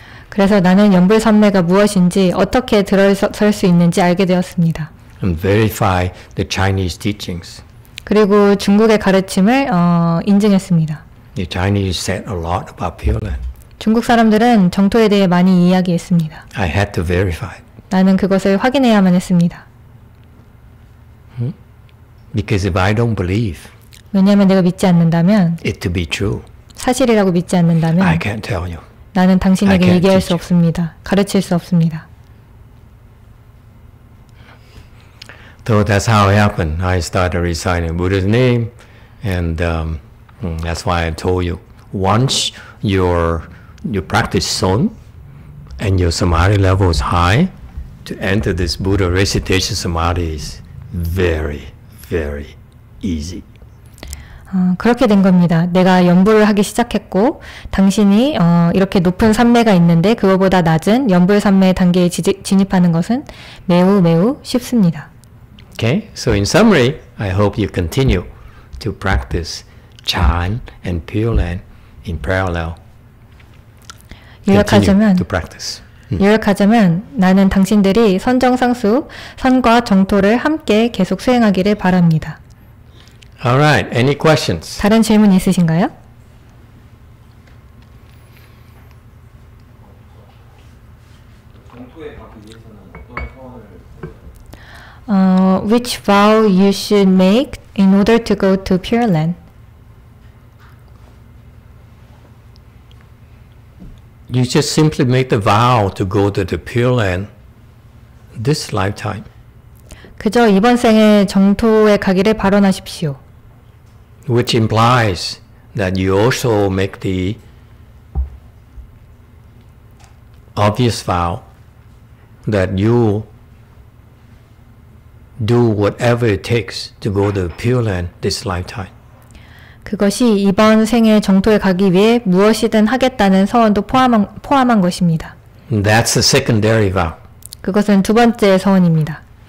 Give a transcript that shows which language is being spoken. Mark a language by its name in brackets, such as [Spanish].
[Korean] 그래서 나는 연불 삼매가 무엇인지 어떻게 들어설 수 있는지 알게 되었습니다. [English] And verify the Chinese teachings. [Korean] 그리고 중국의 가르침을 인증했습니다. [English] The Chinese said a lot about Pure Land. [Korean] 중국 사람들은 정토에 대해 많이 이야기했습니다. [English] I had to verify. [Korean] 나는 그것을 확인해야만 했습니다. [English] Because if I don't believe, [Korean] 왜냐하면 내가 믿지 않는다면, [English] it to be true, [Korean] 사실이라고 믿지 않는다면, [English] I can't tell you. [Korean] 나는 당신에게 얘기할 수 없습니다. 가르칠 수 없습니다. [English] So that's how it happened. I started reciting Buddha's name, and that's why I told you. Once you practice Son, and your Samadhi level is high, to enter this Buddha recitation Samadhi is very, very easy. [Korean] 그렇게 된 겁니다. 내가 연불을 하기 시작했고, 당신이 이렇게 높은 삼매가 있는데 그거보다 낮은 연불 삼매 단계에 진입하는 것은 매우 매우 쉽습니다. [English] Okay, so in summary, I hope you continue to practice Chan and Pure Land in parallel. [Korean] 요약하자면, [English] continue to practice. [Korean] 요약하자면, 나는 당신들이 선정상수, 선과 정토를 함께 계속 수행하기를 바랍니다. [English] All right, any questions? [Korean] 다른 질문 있으신가요? [English] Which vow you should make in order to go to Pure Land? You just simply make the vow to go to the Pure Land this lifetime. [Korean] 그저 이번 생에 정토에 가기를 발언하십시오. [English] Which implies that you also make the obvious vow that you do whatever it takes to go to Pure Land this lifetime. [Korean] 그것이 이번 생에 정토에 가기 위해 무엇이든 하겠다는 서원도 포함한 것입니다. [English] That's the secondary vow. [Korean] 그것은 두 번째 서원입니다.